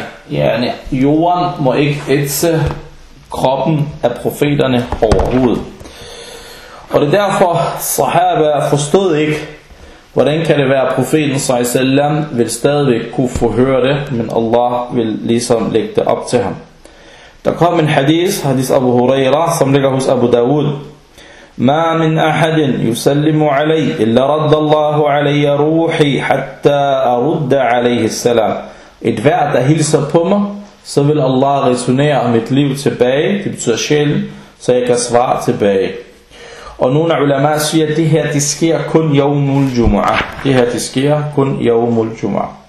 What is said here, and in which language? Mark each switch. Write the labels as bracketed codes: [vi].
[da] Yani, jorden må ikke ætse kroppen af profeterne overhovedet. Og det er derfor, sahaba forstod ikke, hvordan kan det være, at profeten s.a.v. vil stadigvæk kunne forhøre det, men Allah vil ligesom lægge det op til ham. Der kom en hadith Abu Huraira, som ligger hos Abu Dawud. [ar] ما من أحد يسلم علي إلا رد الله علي روحي حتى أرد عليه السلام. [da] Et hver der hilser på mig, så vil Allah returnere mit liv tilbage, det betyder sjæl, så jeg kan svare tilbage. Og nogle ulema siger, at det her det sker kun yawmul jum'ah. Det her det sker kun yawmul jum'ah.